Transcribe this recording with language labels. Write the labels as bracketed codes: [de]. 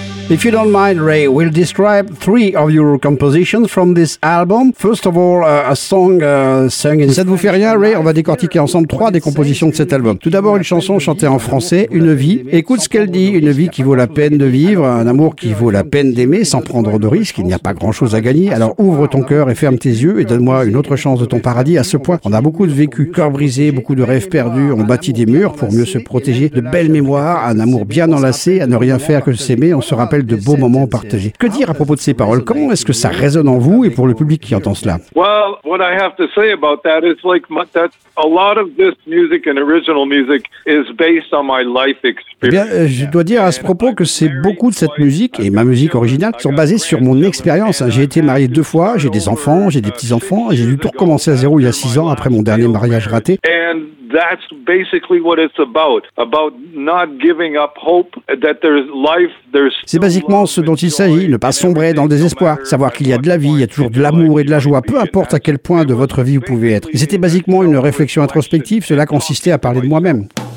[en] If you don't mind, Ray, we'll describe three of your compositions from this album. First of all, a song sung in... [fr] Ça ne vous fait rien, Ray? On va décortiquer ensemble trois des compositions de cet album. Tout d'abord, une chanson chantée en français, Une vie. Écoute ce qu'elle dit, une vie qui vaut la peine de vivre, un amour qui vaut la peine d'aimer sans prendre de risques, il n'y a pas grand-chose à gagner. Alors ouvre ton cœur et ferme tes yeux et donne-moi une autre chance de ton paradis. À ce point, on a beaucoup de vécu, cœur brisé, beaucoup de rêves perdus, on bâtit des murs pour mieux se protéger, de belles mémoires, un amour bien enlacé, à ne rien faire que s'aimer, on se rappelle de beaux moments partagés. Que dire à propos de ces paroles? Comment est-ce que ça résonne en vous et pour le public qui entend cela? [en] Well, what I have to say about that is like that a lot of this music and original music is based on my life experience. [fr] Eh bien, je dois dire à ce propos que c'est beaucoup de cette musique et ma musique originale sont basées sur mon expérience. J'ai été marié deux fois, j'ai des enfants, j'ai des petits-enfants, et j'ai dû tout recommencer à zéro il y a 6 ans après mon dernier mariage raté. [en] That's basically what it's about not giving up hope that there's life, there's... [fr] C'est basiquement ce dont il s'agit, ne pas sombrer dans le désespoir, savoir qu'il y a de la vie, il y a toujours de l'amour et de la joie, peu importe à quel point de votre vie vous pouvez être. Et c'était basiquement une réflexion introspective, cela consistait à parler de moi-même.